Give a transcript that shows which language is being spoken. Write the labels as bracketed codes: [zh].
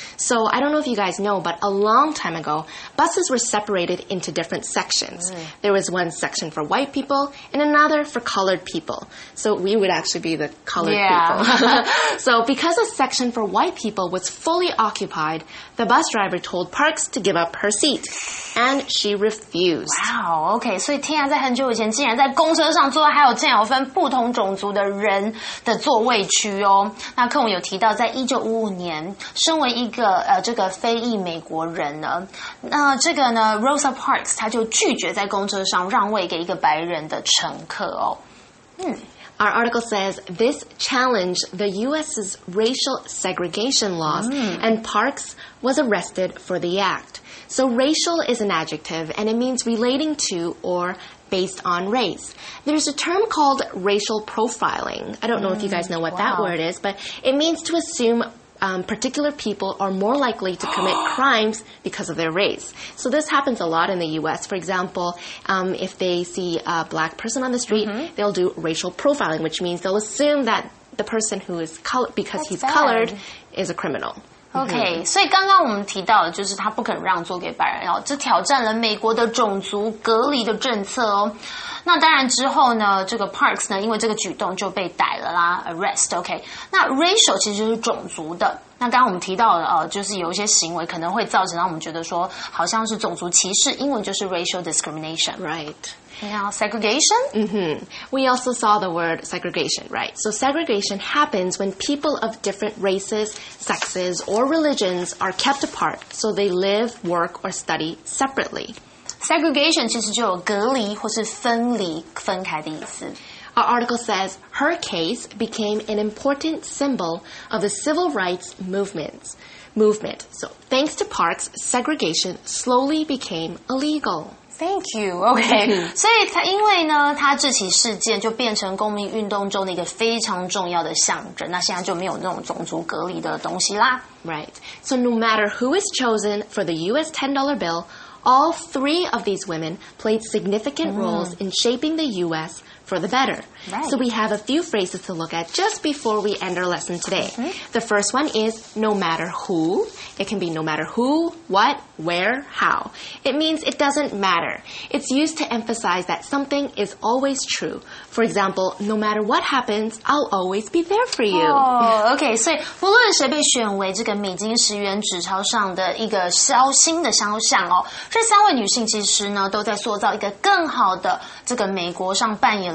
[en] So, I don't know if you guys know, but a long time ago, buses were separated into different sections.、Mm. There was one section for white people and another for colored people. So, we would actually be the colored、 yeah. people. So, because a section for white people was fully occupied, the bus driver told Parks to give up her seat. And she refused. Wow, okay. [zh] 所以天啊，在很久以前竟然在公车上坐还有这样有分不同种族的人的座位区哦。那课文有提到在1955年身为一个这个非裔美国人呢，那这个呢 ，Rosa Parks 他就拒绝在公车上让位给一个白人的乘客哦。嗯 [en] ，Our article says this challenged the U.S.'s racial segregation laws,、mm. and Parks was arrested for the act. So, racial is an adjective, and it means relating to or. Based on race. There's a term called racial profiling. I don't know if you guys know what、wow. that word is, but it means to assume、 particular people are more likely to commit crimes because of their race. So this happens a lot in the U.S. For example, if they see a black person on the street, mm-hmm. they'll do racial profiling, which means they'll assume that the person who is colored is a criminal. Okay, mm-hmm. [zh] 所以刚刚我们提到的就是他不肯让座给白人哦，这挑战了美国的种族隔离的政策哦。那当然之后呢，这个 Parks 呢，因为这个举动就被逮了啦 ，arrest。 OK， 那 racial 其实就是种族的。那刚刚我们提到的就是有一些行为可能会造成让我们觉得说好像是种族歧视，英文就是 [en] racial discrimination， right？ Now, segregation? Mm-hmm. We also saw the word segregation, right? So segregation happens when people of different races, sexes, or religions are kept apart so they live, work, or study separately. [zh] Segregation 其实就有隔离或是分离、分开的意思。 [en] Our article says, her case became an important symbol of the civil rights movement. So thanks to Parks, segregation slowly became illegal. Thank you. Okay. [zh] 所以他因为呢他这起事件就变成公民运动中的一个非常重要的象征。那现在就没有那种种族隔离的东西啦。 [en] Right. So no matter who is chosen for the US $10 bill, all three of these women played significant roles in shaping the US for the better. Right. So we have a few phrases to look at just before we end our lesson today. Mm-hmm. The first one is no matter who. It can be no matter who, what, where, how. It means it doesn't matter. It's used to emphasize that something is always true. For example, no matter what happens, I'll always be there for you. Oh, okay. [zh] So, 不论谁被选为这个美金十元纸钞上的一个小新的肖像哦，这三位女性其实呢都在塑造一个更好的这个美国上扮演。